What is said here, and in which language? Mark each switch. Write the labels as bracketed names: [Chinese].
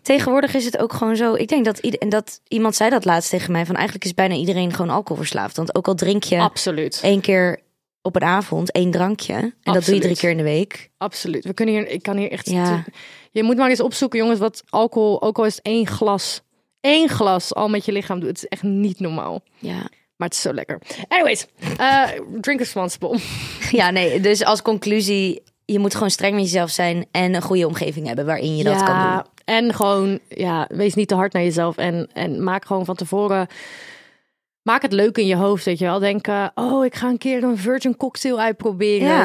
[Dutch] Tegenwoordig is het ook gewoon zo. Ik denk dat iemand zei dat laatst tegen mij. Van eigenlijk is bijna iedereen gewoon alcoholverslaafd. Want ook al drink je... Absoluut. 1 keer op een avond, 1 drankje. En absoluut. Dat doe je 3 keer in de week. Absoluut. Ik kan hier echt... Ja. Je moet maar eens opzoeken, jongens, wat alcohol... Ook al is 1 glas. 1 glas al met je lichaam doet. Het is echt niet normaal. Ja. Maar het is zo lekker. [English] Anyways, drink responsible. [Dutch] Ja, nee. Dus als conclusie, je moet gewoon streng met jezelf zijn en een goede omgeving hebben waarin je dat kan doen. En gewoon, ja, wees niet te hard naar jezelf en maak gewoon van tevoren, maak het leuk in je hoofd, dat je wel denken, oh, ik ga een keer een virgin cocktail uitproberen.